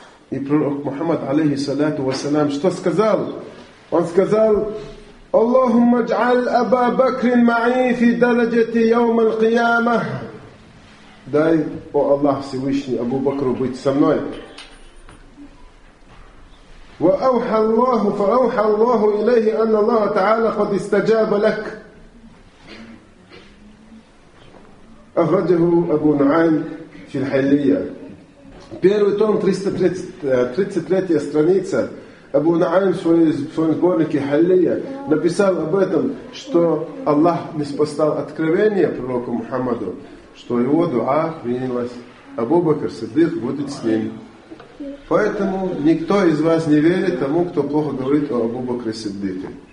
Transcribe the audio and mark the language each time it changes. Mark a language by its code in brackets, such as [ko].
[ru] И пророк Мухаммад, алейхи саляту вассалям, что сказал? Он сказал, [ar] «Аллахумма джаль Аба Бакрин маи фи даладжати яума л-кияма». [ru] Дай, о Аллах Всевышний, Абу Бакру быть со мной. [ar] وأوحى الله فأوحى الله إليه أن الله تعالى قد استجاب لك. أخرجه أبو نعيم في الحلية. [ru] Первый том 333 страница. Абу Нуайм в своем сборнике Халлия написал об этом, что Аллах ниспослал откровение пророку Мухаммаду, что его дуа принялась. Абу Бакр Сиддик будет с ним. Поэтому никто из вас не верит тому, кто плохо говорит о Абу Бакре Сиддике.